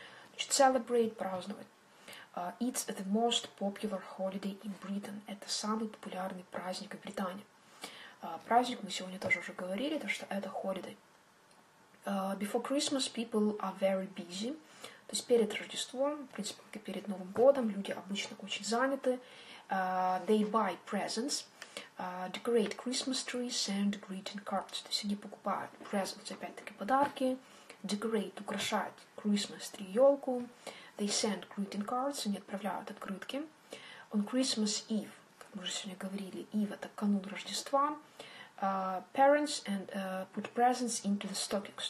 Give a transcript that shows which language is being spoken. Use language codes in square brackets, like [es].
[en] Значит, celebrate, праздновать. It's the most popular holiday in Britain. [ru] Это самый популярный праздник в Британии. Праздник, мы сегодня тоже уже говорили, то, что это holiday. [en] Before Christmas people are very busy. [ru] То есть перед Рождеством, в принципе, как и перед Новым годом, люди обычно очень заняты. [en] They buy presents, decorate Christmas trees, send greeting cards. [ru] То есть они покупают presents, опять-таки подарки. [en] Decorate, украшать Christmas tree, ёлку. They send greeting cards, [ru] они отправляют открытки. [en] On Christmas Eve, [ru] как мы уже сегодня говорили, Eve — это канун Рождества. [en] Parents and put presents into the stockings.